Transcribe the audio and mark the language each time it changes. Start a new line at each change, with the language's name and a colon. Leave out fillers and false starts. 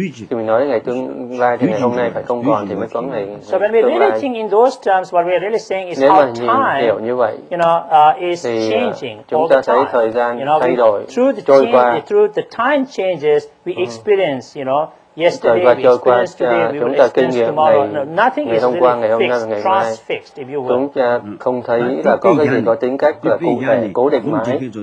Vietnamese: Thì mình nói ngày tương lai thì ngày hôm nay phải không còn thì mới có ngày tương lai. Nếu mà
English: in those terms what we are really saying is how time,
Vietnamese: như vậy,
English: is changing.
Vietnamese: Chúng ta thấy thời gian thay đổi, trôi qua.
English: Through the time changes we experience, yesterday we experience today,
Vietnamese: chúng ta kinh nghiệm
English: tomorrow. Nothing is really transfixed, if you will.
Vietnamese: Chúng ta không thấy là có cái gì có tính cách là cụ thể cố định mãi.